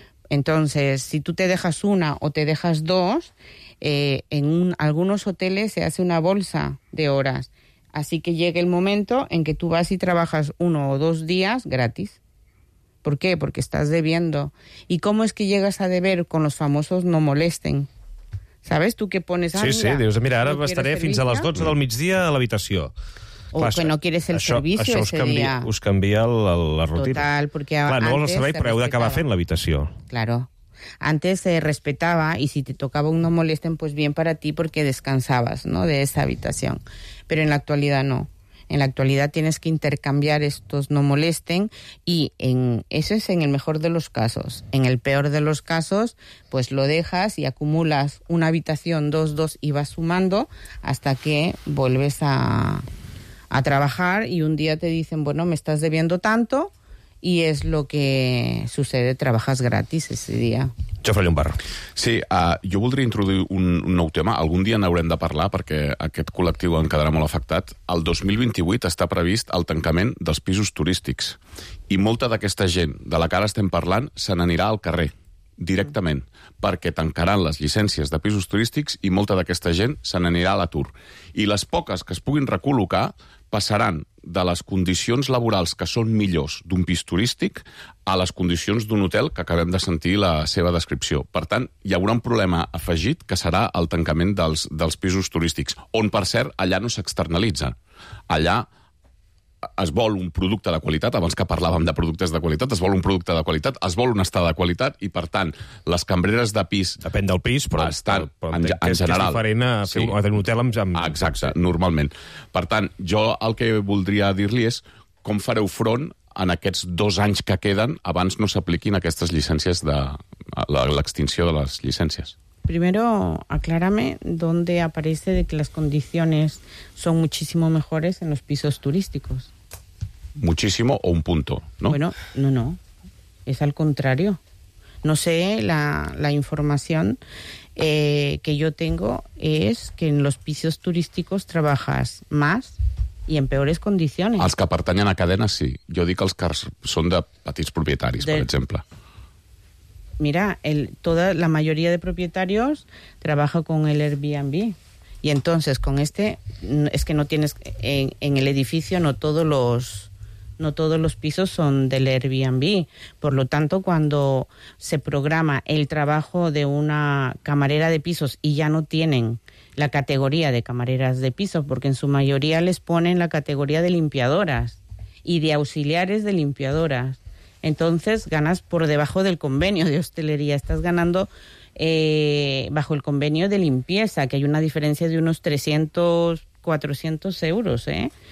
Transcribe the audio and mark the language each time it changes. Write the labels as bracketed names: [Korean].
[Spanish] Entonces, si tú te dejas una o te dejas dos, algunos hoteles se hace una bolsa de horas. Así que llega el momento en que tú vas y trabajas 1 o 2 días gratis. ¿Por qué? Porque estás debiendo. ¿Y cómo es que llegas a deber con los famosos no molesten? ¿Sabes tú qué pones? [Catalan] Sí, sí, dius, mira, ara estaré fins a les 12 del migdia a l'habitació. O clar, [Spanish] que no quieres el [Catalan] això, [Spanish] servicio això ese [Catalan] canvia, dia. Això us canvia la rutina. Total, perquè clar, [Spanish] antes... [Catalan] Clar, no el servei, però heu d'acabar fent l'habitació. [Spanish] Claro. Antes se respetaba y si te tocaba un no molesten, pues bien para ti porque descansabas, ¿no?, de esa habitación. Pero en la actualidad no. En la actualidad tienes que intercambiar estos no molesten y eso es en el mejor de los casos. En el peor de los casos, pues lo dejas y acumulas una habitación, dos, y vas sumando hasta que vuelves a trabajar y un día te dicen, bueno, me estás debiendo tanto... Y es lo que sucede, trabajas gratis ese día. [Catalan] Jofre Llombar. Sí, jo voldria introduir un nou tema. Algun dia n'haurem de parlar, perquè aquest col·lectiu en quedarà molt afectat. El 2028 està previst el tancament dels pisos turístics. I molta d'aquesta gent de la que ara estem parlant se n'anirà al carrer, directament, perquè tancaran les llicències de pisos turístics i molta d'aquesta gent se n'anirà a l'atur. I les poques que es puguin recol·locar passaran de les condicions laborals que són millors d'un pis turístic a les condicions d'un hotel que acabem de sentir la seva descripció. Per tant, hi haurà un problema afegit que serà el tancament dels pisos turístics, on, per cert, allà no s'externalitza. Allà es vol un producte de qualitat, abans que parlàvem de productes de qualitat, es vol un producte de qualitat, es vol un estar de qualitat, i per tant, les cambreres de pis... Depèn del pis, però, estan, però en general... És diferent a tenir un hotel amb... Exacte, normalment. Per tant, jo el que voldria dir-li és com fareu front en aquests 2 anys que queden abans no s'apliquin aquestes llicències de... l'extinció de les llicències. [Spanish] Primero, aclárame dónde aparece de que las condiciones son muchísimo mejores en los pisos turísticos. Muchísimo o un punto, ¿no? Bueno, no. Es al contrario. No sé, la información que yo tengo es que en los pisos turísticos trabajas más y en peores condiciones. [Catalan] Els que pertanyen a cadenes, sí. Jo dic els que són de petits propietaris, per exemple. [Spanish] Mira, la mayoría de propietarios trabaja con el Airbnb. Y entonces, con este, es que no tienes... En el edificio no todos los pisos son del Airbnb. Por lo tanto, cuando se programa el trabajo de una camarera de pisos y ya no tienen la categoría de camareras de piso, porque en su mayoría les ponen la categoría de limpiadoras y de auxiliares de limpiadoras, entonces ganas por debajo del convenio de hostelería, estás ganando bajo el convenio de limpieza, que hay una diferencia de unos 300, 400 euros, ¿eh?